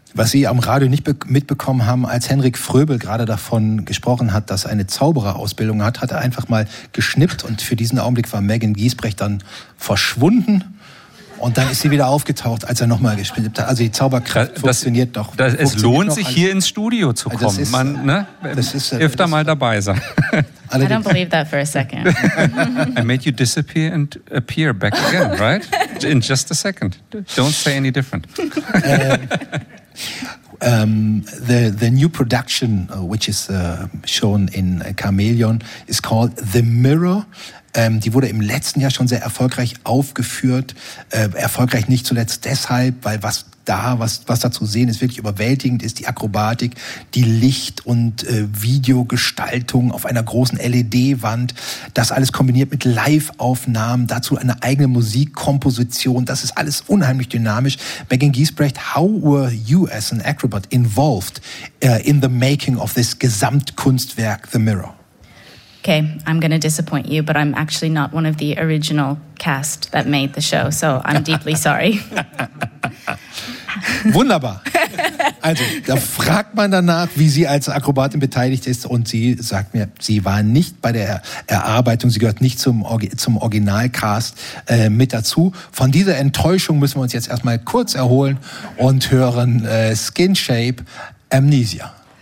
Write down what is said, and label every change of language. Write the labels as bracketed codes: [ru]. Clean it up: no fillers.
[de] Was Sie am Radio nicht mitbekommen haben, als Henrik Fröbel gerade davon gesprochen hat, dass er eine Zaubererausbildung hat, hat er einfach mal geschnippt und für diesen Augenblick war Megan Giesbrecht dann verschwunden. Und dann ist sie wieder aufgetaucht, als er nochmal gespielt hat. Also die Zauberkraft funktioniert doch. Es lohnt sich, hier ins Studio zu kommen. Also öfter mal dabei sein. [en] I don't believe that for a second. I made you disappear and appear back again, right? In just a second. Don't say any different. The new production, which is shown in Chamäleon, is called The Mirror. [de] Die wurde im letzten Jahr schon sehr erfolgreich aufgeführt. Erfolgreich nicht zuletzt deshalb, weil was da zu sehen ist, wirklich überwältigend ist. Die Akrobatik, die Licht- und Videogestaltung auf einer großen LED-Wand. Das alles kombiniert mit Live-Aufnahmen, dazu eine eigene Musikkomposition. Das ist alles unheimlich dynamisch. [en] Megan Giesbrecht, how were you as an acrobat involved in the making of this Gesamtkunstwerk The Mirror? Okay, I'm going to disappoint you, but I'm actually not one of the original cast that made the show, so I'm deeply sorry. [de] Wunderbar. Also, da fragt man danach, wie sie als Akrobatin beteiligt ist, und sie sagt mir, sie war nicht bei der Erarbeitung, sie gehört nicht zum Originalcast mit dazu. Von dieser Enttäuschung müssen wir uns jetzt erstmal kurz erholen und hören Skin Shape Amnesia.